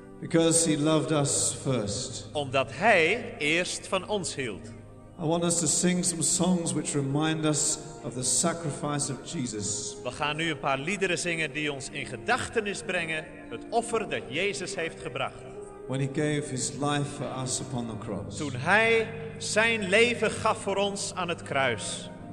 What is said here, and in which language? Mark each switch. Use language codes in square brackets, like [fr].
[en] Because he loved us first. [nl] Omdat hij eerst van ons hield. [en] I want us to sing some songs which remind us of the sacrifice of Jesus. [nl] We gaan nu een paar liederen zingen die ons in gedachtenis brengen het offer dat Jezus heeft gebracht. [en] When he gave his life for us upon the cross. [nl] Toen hij zijn leven gaf voor ons aan het kruis.